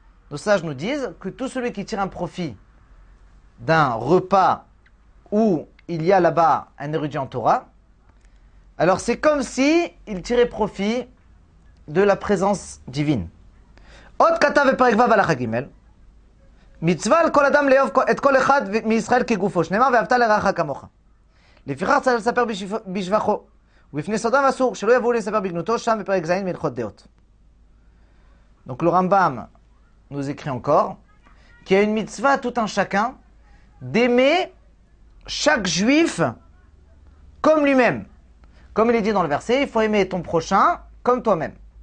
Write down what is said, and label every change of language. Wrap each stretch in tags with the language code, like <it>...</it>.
<fr>Nos sages nous disent que tout celui qui tire un profit d'un repas où il y a là-bas un érudit en Torah, alors c'est comme si il tirait profit de la présence divine.</fr> <he>Ot kata ve-parek vav alacha gimel. מצווה על כל אדם לאהוב את כל אחד מישראל כגופו, שנאמר ואהבת לרעך כמוך. לפיכך צריך לספר בשבחו, ובפני סודם אסור שלא יבואו לספר בגנותו שם בפרק ז' מהלכות דעות.</he> <fr>Donc le Rambam nous écrit encore qu'il y a une mitzvah à tout un chacun d'aimer chaque juif comme lui-même. Comme il est dit dans le verset, il faut aimer ton prochain comme toi-même.</fr>